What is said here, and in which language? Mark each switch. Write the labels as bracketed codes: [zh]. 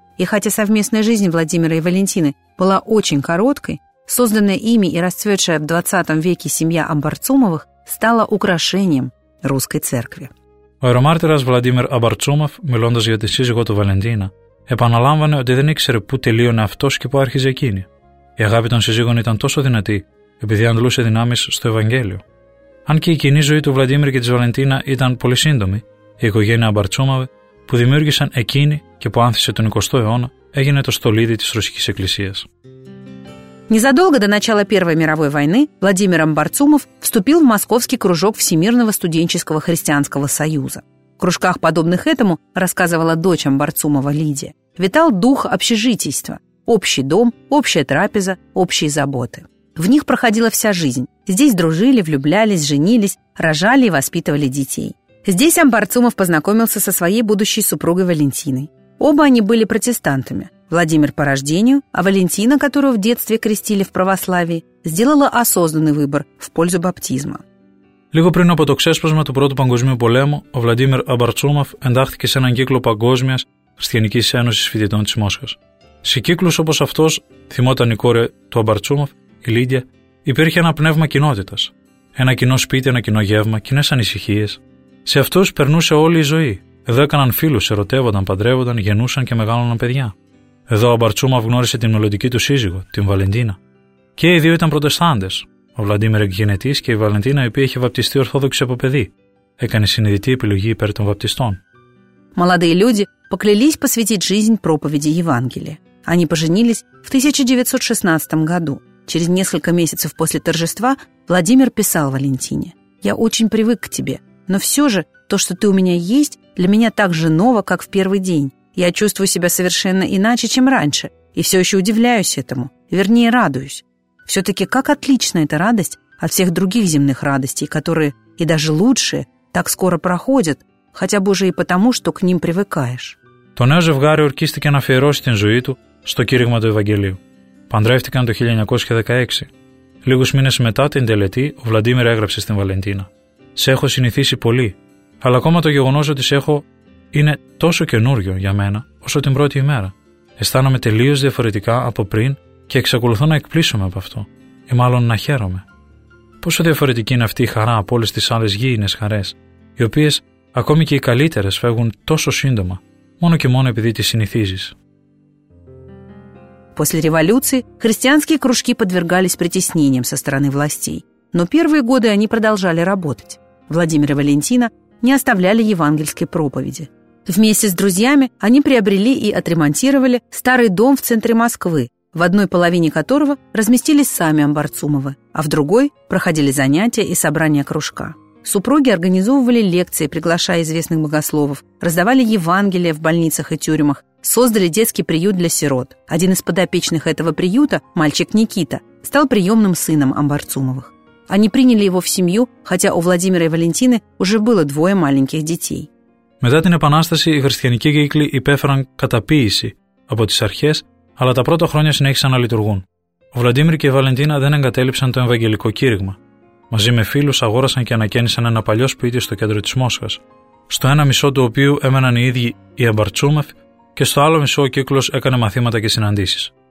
[ru] И хотя совместная жизнь Владимира и Валентины была очень короткой, созданная ими и расцветшая в 20 веке семья Амбарцумовых стала украшением русской церкви. [el] Ο ιερομάρτυρας Βλαντίμιρ Αμπαρτσούμαφ, μιλώντας για τη σύζυγό του Βαλεντίνα, επαναλάμβανε ότι δεν ήξερε πού τελείωνε αυτός και πού άρχιζε εκείνη. Η αγάπη των σύζυγων ήταν τόσο δυνατή, επειδή αντλούσε δυνάμεις στο Ευαγγέλιο. Αν και η κοινή ζωή του Βλαντίμιρ και της Βαλεντίνα ήταν πολύ σύντομη, η οικογένεια Αμπαρτσούμαφ που δημιούργησαν εκείνη και που άνθησε τον 20ο αιώνα έγινε το στολίδι της Ρωσικής Εκκλησίας. [ru] Незадолго до начала Первой мировой войны Владимир Амбарцумов вступил в московский кружок Всемирного студенческого христианского союза. В кружках, подобных этому, рассказывала дочь Амбарцумова Лидия, витал дух общежитийства, общий дом, общая трапеза, общие заботы. В них проходила вся жизнь. Здесь дружили, влюблялись, женились, рожали и воспитывали детей. Здесь Амбарцумов познакомился со своей будущей супругой Валентиной. Оба они были протестантами. Владимир по рождению, а Валентина, которую в детстве крестили в православии, сделала осознанный выбор в пользу баптизма. [el] Λίγο πριν από το ξέσπασμα του Πρώτου Παγκοσμίου Πολέμου, ο Βλαντίμιρ Αμπαρτσούμαφ εντάχθηκε σε έναν κύκλο Παγκόσμιας Χριστιανικής Ένωσης Φοιτητών της Μόσχας. Σε κύκλους όπως αυτός, θυμόταν η κόρη του Αμπαρτσούμαφ, η Λίδια, υπήρχε ένα πνεύμα κοινότητας. Ένα κοινό σπίτι, ένα κοινό γεύμα, κοινές ανησυχίες. Σε αυτούς περνούσε όλη η ζωή. Εδώ έκαναν φίλους, ερωτεύονταν, παντρεύονταν, γεννούσαν και μεγάλωναν παιδιά. Εδώ ο Αμπαρτσούμαφ γνώρισε την μελλοντική του σύζυγο, την Βαλεντίνα. Και οι δύο ήταν Προτεστάντες. Ο Βλαντίμιρ εκγενετής και η Βαλεντίνα, η οποία είχε βαπτιστεί ορθόδοξη από παιδί. Έκανε συνειδητή επιλογή υπέρ των βαπτιστών. [ru] Молодые люди поклялись посвятить жизнь проповеди Евангелия. Они поженились в 1916 году. Через несколько месяцев после торжества Владимир писал Валентине: «Я очень привык к тебе, но все же то, что ты у меня есть, для меня так же ново, как в первый день. Я чувствую себя совершенно иначе, чем раньше, и все еще удивляюсь этому, вернее, радуюсь. Все-таки как отлична эта радость от всех других земных радостей, которые, и даже лучшие, так скоро проходят, хотя бы уже и потому, что к ним привыкаешь». [el] Το νέο ζευγάρι ορκίστηκε να αφιερώσει την ζωή του στο κήρυγμα του Ευαγγελίου. Παντρεύτηκαν το 1916. Λίγους μήνες μετά την τελετή, ο Βλαντίμιρ έγραψε στην Βαλεντίνα: «Σε έχω συνηθίσει πολύ, αλλά ακόμα το γεγονός ότι σε έχω είναι τόσο καινούριο για μένα όσο την πρώτη ημέρα. Αισθάνομαι τελείως διαφορετικά από πριν και εξακολουθώ να εκπλήσωμαι από αυτό, ή μάλλον να χαίρομαι. Πόσο διαφορετική είναι αυτή η χαρά από όλες τις άλλες γήινες χαρές, οι οποίες ακόμη και οι καλύτερες φεύγουν τόσο σύντομα, μόνο και μόνο επειδή τις συνηθίζεις». [ru] После революции христианские кружки подвергались притеснениям со стороны властей, но первые годы они продолжали работать. Владимир и Валентина не оставляли евангельской проповеди. Вместе с друзьями они приобрели и отремонтировали старый дом в центре Москвы, в одной половине которого разместились сами Амбарцумовы, а в другой проходили занятия и собрания кружка. Супруги организовывали лекции, приглашая известных богословов, раздавали Евангелие в больницах и тюрьмах, создали детский приют для сирот. Один из подопечных этого приюта, мальчик Никита, стал приемным сыном Амбарцумовых. Они приняли его в семью, хотя у Владимира и Валентины уже было двое маленьких детей. [el] Μετά την Επανάσταση, οι χριστιανικοί κύκλοι υπέφεραν καταποίηση από τις αρχές, αλλά τα πρώτα χρόνια συνέχισαν να λειτουργούν. Ο Βλαντίμιρ και η Βαλεντίνα δεν εγκατέλειψαν το Ευαγγελικό Κήρυγμα. Μαζί με φίλους αγόρασαν και ανακαίνισαν ένα παλιό σπίτι στο κέντρο της Μόσχας, στο ένα μισό του οποίου έμεναν οι ίδιοι οι Αμπαρτσούμεφ και στο άλλο μισό ο κύκλος έκανε μαθήματα και συναντήσεις.